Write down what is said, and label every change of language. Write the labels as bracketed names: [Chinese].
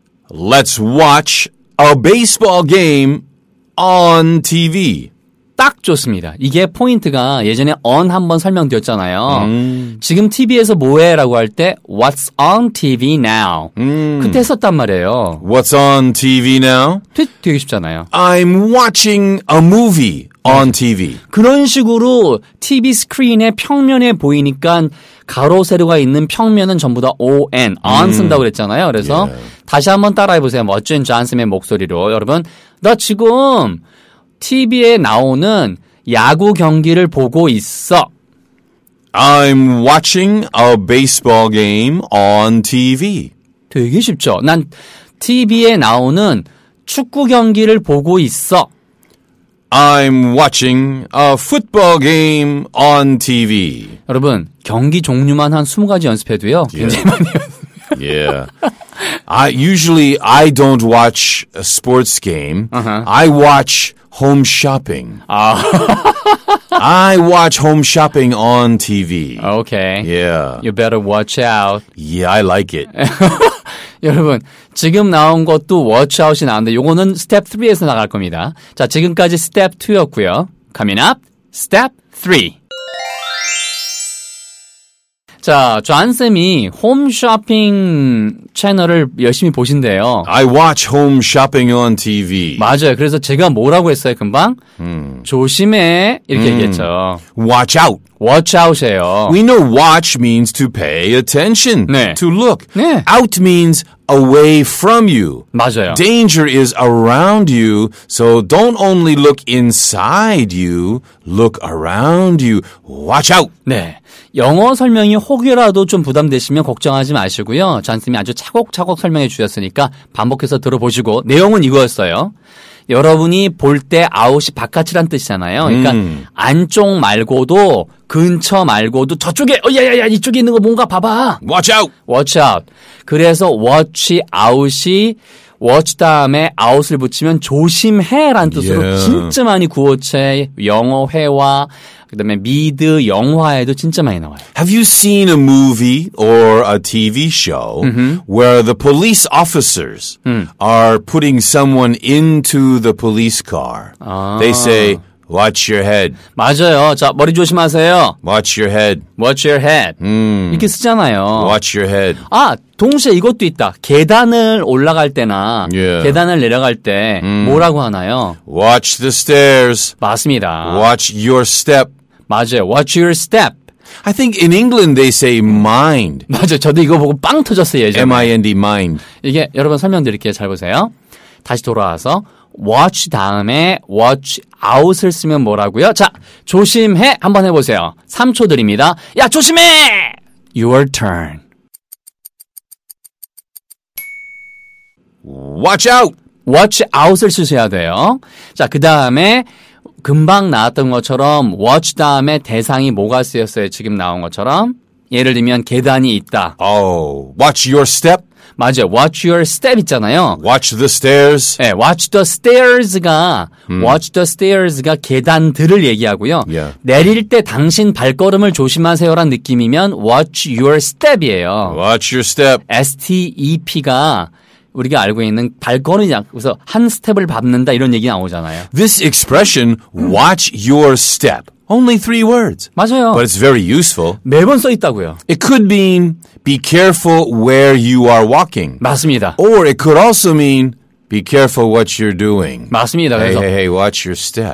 [English] Let's watch a baseball game on TV. [Korean] 딱 좋습니다. 이게 포인트가 예전에 on 한번 설명드렸잖아요. 지금 TV에서 뭐해? 라고 할 때 [English] What's on TV now? [Korean] 그때 썼단 말이에요. [English] What's on TV now? [Korean] 되게 쉽잖아요. [English] I'm watching a movie on TV. [Korean] 그런 식으로 TV 스크린의 평면에 보이니까 가로 세로가 있는 평면은 전부 다 on, on 쓴다고 그랬잖아요. 그래서 yeah. 다시 한번 따라해보세요. 멋진 존슨의 목소리로. 여러분, 나 지금 TV에 나오는 야구 경기를 보고 있어. [English] I'm watching a baseball game on TV. [Korean] 되게 쉽죠? 난 TV에 나오는 축구 경기를 보고 있어. [English] I'm watching a football game on TV. [Korean] 여러분, 경기 종류만 한 20가지 연습해도요. 굉장히 [English] yeah. [Korean] 많이 연습해요. [English] Yeah. Usually I don't watch a sports game. Uh-huh. I watch home shopping. I watch home shopping on TV. Okay. Yeah. You better watch out. Yeah, I like it. [Korean] 여러분, 지금 나온 것도 watch out이 나왔는데 요거는 step 3에서 나갈 겁니다. 자, 지금까지 step 2였고요. [English] Coming up, step 3. [Korean] 자, 존쌤이 홈 쇼핑 채널을 열심히 보신대요. [English] I watch home shopping on TV. [Korean] 맞아요. 그래서 제가 뭐라고 했어요, 금방? 조심해. 이렇게 얘기했죠. [English] Watch out. [Korean] Watch out이에요. [English] We know watch means to pay attention. [Korean] 네. [English] To look. [Korean] 네. [English] Out means away from you. [Korean] 맞아요. [English] Danger is around you. So don't only look inside you. Look around you. Watch out. [Korean] 네. 영어 설명이 혹여라도 좀 부담되시면 걱정하지 마시고요. 존쌤이 아주 차곡차곡 설명해 주셨으니까 반복해서 들어보시고 내용은 이거였어요. 여러분이 볼 때 아웃이 바깥이란 뜻이잖아요. 그러니까 안쪽 말고도 근처 말고도 저쪽에 야야야 이쪽에 있는 거 뭔가 봐봐. [English] Watch out. Watch out. [Korean] 그래서 watch out이 watch 다음에 out을 붙이면 조심해란 뜻으로 [English] yeah. [Korean] 진짜 많이 구어체 영어 회화 그다음에 미드 영화에도 진짜 많이 나와요. [English] Have you seen a movie or a TV show where the police officers are putting someone into the police car? [Korean] 아. [English] They say, Watch your head. [Korean] 맞아요. 자, 머리 조심하세요. [English] Watch your head. Watch your head. [Korean] 이렇게 쓰잖아요. [English] Watch your head. [Korean] 아, 동시에 이것도 있다. 계단을 올라갈 때나 yeah. 계단을 내려갈 때 뭐라고 하나요? [English] Watch the stairs. [Korean] 맞습니다. [English] Watch your step. [Korean] 맞아요. [English] Watch your step. I think in England they say mind. [Korean] 맞아요. 저도 이거 보고 빵 터졌어요, 예전에. [English] M-I-N-D, mind. [Korean] 이게 여러분 설명드릴게요. 잘 보세요. 다시 돌아와서 watch 다음에 watch out을 쓰면 뭐라고요? 자, 조심해 한번 해보세요. 3초 드립니다. 야, 조심해! [English] Your turn. Watch out! [Korean] Watch out을 쓰셔야 돼요. 자, 그 다음에 금방 나왔던 것처럼 watch 다음에 대상이 뭐가 쓰였어요? 지금 나온 것처럼. 예를 들면 계단이 있다. [English] Oh, watch your step. [Korean] 맞아요. [English] Watch your step [Korean] 있잖아요. [English] Watch the stairs. [Korean] 네, [English] watch the stairs [Korean] 가 watch the stairs가 계단들을 얘기하고요. [English] Yeah. [Korean] 내릴 때 당신 발걸음을 조심하세요라는 느낌이면 watch your step이에요. [English] Watch your step. [Korean] S-T-E-P가 우리가 알고 있는 발걸음이냐. 그래서 한 스텝을 밟는다 이런 얘기 나오잖아요. [English] This expression, watch your step. Only three words. [Korean] 맞아요. [English] But it's very useful. [Korean] 매번 써 있다고요. [English] It could mean be careful where you are walking. [Korean] 맞습니다. [English] Or it could also mean be careful what you're doing. [Korean] 맞습니다. [English] Hey, [Korean] 그래서 [English] hey, watch your step.